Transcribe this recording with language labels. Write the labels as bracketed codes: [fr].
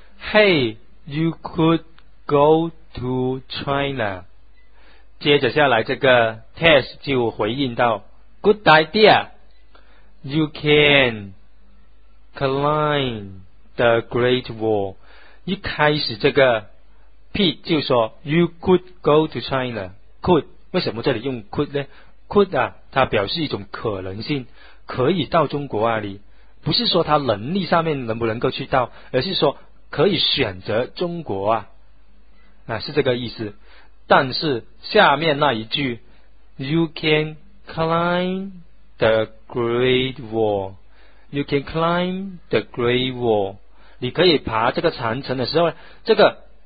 [en] Hey, you could go to China. [zh] 接着下来这个 Tess 就回应到 [en] Good idea. You can climb the Great Wall. [zh] 一开始这个 Pete 就说 [en] You could go to China. [zh] Could, 为什么这里用 could 呢 Could 啊它表示一种可能性可以到中国啊里不是说他能力上面能不能够去到而是说可以选择中国啊啊，是这个意思但是下面那一句 [en] You can climb the Great Wall [zh] You can climb the Great Wall 你可以爬这个长城的时候这个